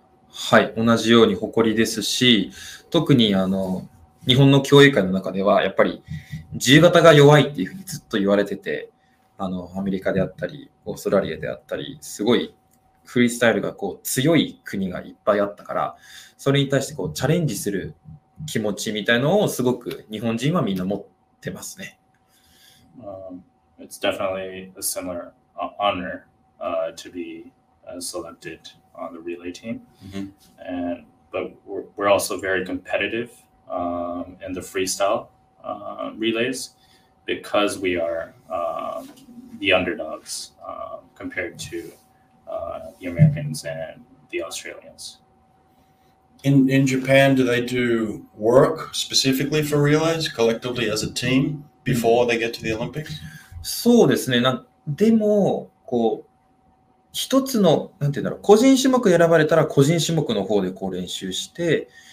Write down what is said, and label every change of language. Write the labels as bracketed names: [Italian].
[Japanese] はい、同じように誇りですし、特に日本の競泳界の中ではやっぱり自由形が弱いっていうふうにずっと言われてて、アメリカであったりオーストラリアであったり、すごいフリースタイルがこう強い国がいっぱいあったから、それに対してこうチャレンジする気持ちみたいのをすごく日本人はみんな持ってますね。 [English] It's definitely a similar honor to be selected on the relay team. Mm-hmm. And but we're also very competitive in the freestyle relays, because we are the underdogs compared to the Americans and the Australians. In Japan, do they do work specifically for relays collectively as a team before they get to the Olympics? [Japanese] そうですね。でもこう一つのなんていうんだろう、個人種目選ばれたら個人種目の方でこう練習して。